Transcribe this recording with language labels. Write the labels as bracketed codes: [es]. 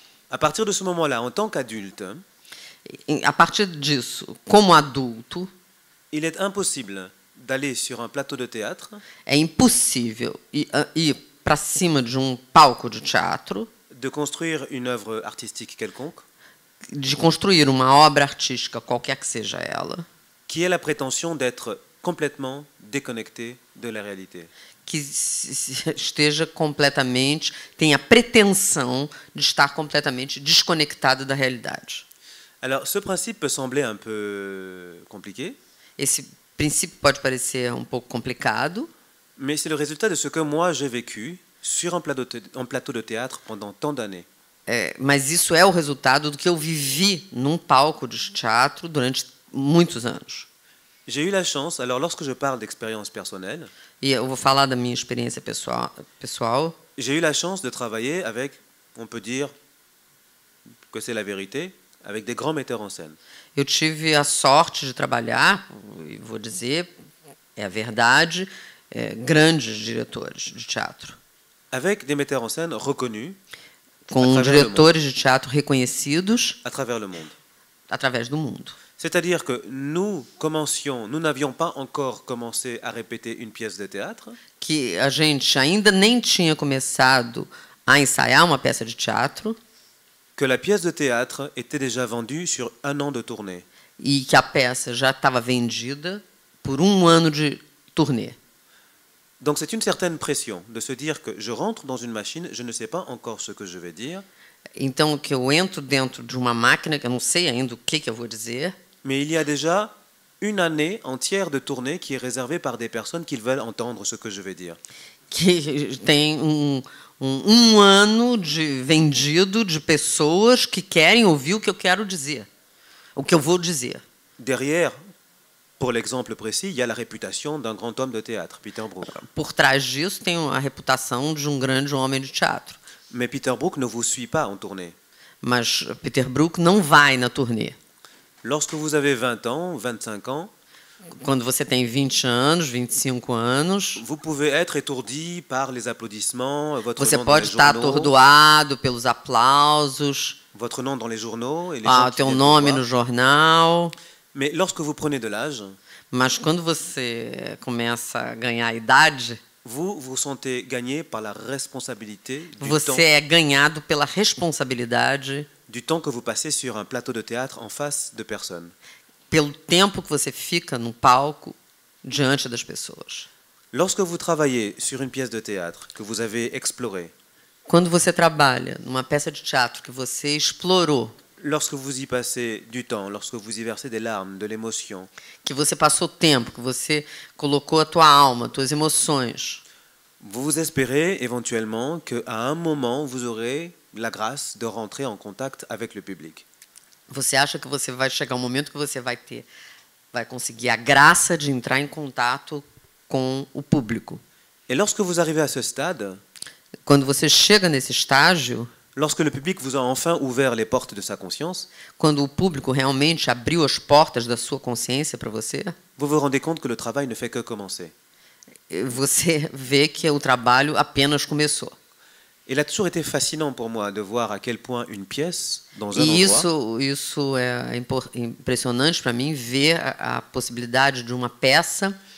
[fr] A partir de ce moment-là, en tant qu'adulte, [pt] a partir disso, como adulto, [fr] il est impossible d'aller sur un plateau de théâtre. [pt] É impossível ir para cima de um palco de teatro. [fr] De construire une œuvre artistique quelconque. [pt] De construir uma obra artística qualquer que seja ela. [fr] Qui a la prétention d'être complètement déconnecté de la réalité. [pt] Que esteja completamente, tenha a pretensão de estar completamente desconectado da realidade. [fr] Alors, ce principe peut sembler un peu compliqué. [pt] Esse princípio pode parecer um pouco complicado. [fr] Mais c'est le résultat de ce que moi j'ai vécu sur un plateau de théâtre pendant tant d'années. [pt] Mas isso é o resultado do que eu vivi num palco de teatro durante muitos anos. [fr] J'ai eu la chance, alors lorsque je parle d'expérience personnelle. [pt] E eu vou falar da minha experiência pessoal. [fr] J'ai eu la chance de travailler avec, on peut dire que c'est la vérité, avec des grands metteurs en scène. [pt] Eu tive a sorte de trabalhar, e vou dizer, é a verdade, grandes diretores de teatro. [fr] Avec des metteurs en scène reconnus. [pt] Com diretores de teatro reconhecidos. [fr] À travers le monde. [pt] Através do mundo. [fr] C'est-à-dire que nous commencions, nous n'avions pas encore commencé à répéter une pièce de théâtre. [pt] Que a gente ainda nem tinha começado a ensaiar uma peça de teatro. [fr] Que la pièce de théâtre était déjà vendue sur un an de tournée. [pt] E que a peça já estava vendida por um ano de turnê. [fr] Donc c'est une certaine pression de se dire que je rentre dans une machine, je ne sais pas encore ce que je vais dire. [pt] Então que eu entro dentro de uma máquina que eu não sei ainda o que eu vou dizer. [fr] Mais il y a déjà une année entière de tournée qui est réservée par des personnes qui veulent entendre ce que je vais dire. [pt] Que tem um ano de vendido de pessoas que querem ouvir o que eu quero dizer. O que eu vou dizer. [fr] Derrière, pour l'exemple précis, il y a la réputation d'un grand homme de théâtre, Peter Brook. [pt] Por trás disso tem a reputação de um grande homem de teatro. [fr] Mais Peter Brook ne vous suit pas en tournée. [pt] Mas Peter Brook não vai na turnê. [fr] Lorsque vous avez 20 ans, 25 ans, [pt] quando você tem 20 anos, 25 anos, [fr] vous pouvez être étourdi par les applaudissements, votre nom dans les journaux. [pt] Você pode estar atordoado pelos aplausos. [fr] Votre nom dans les journaux et les gens qui [pt] teu nome no jornal. [fr] Mais lorsque vous prenez de l'âge, [pt] mas quando você começa a ganhar idade, [fr] vous vous sentez gagné par la responsabilité du temps. [pt] Você é ganhado pela responsabilidade [fr] du temps que vous passez sur un plateau de théâtre en face de personnes. [pt] Pelo tempo que você fica no palco diante das pessoas. [fr] Lorsque vous travaillez sur une pièce de théâtre que vous avez explorée. [pt] Quando você trabalha numa peça de teatro que você explorou. [fr] Lorsque vous y passez du temps, lorsque vous y versez des larmes, de l'émotion. [pt] Que você passou tempo, que você colocou a tua alma, tuas emoções. [fr] Vous espérez éventuellement que à un moment vous aurez la grâce de rentrer en contact avec le public. [pt] Você acha que você vai chegar um momento que você vai ter, vai conseguir a graça de entrar em contato com o público? [fr] E lorsque vous arrivez à ce stade, [pt] quando você chega nesse estágio, [fr] lorsque le public vous a enfin ouvert les portes de sa conscience, [pt] quando o público realmente abriu as portas da sua consciência para você, [fr] vous vous rendez compte que le travail ne fait que commencer. [pt] Você vê que o trabalho apenas começou. [fr] Il a toujours été fascinant pour moi de voir à quel point une pièce dans un endroit. [pt] Isso é impressionante para mim ver a possibilidade de uma peça.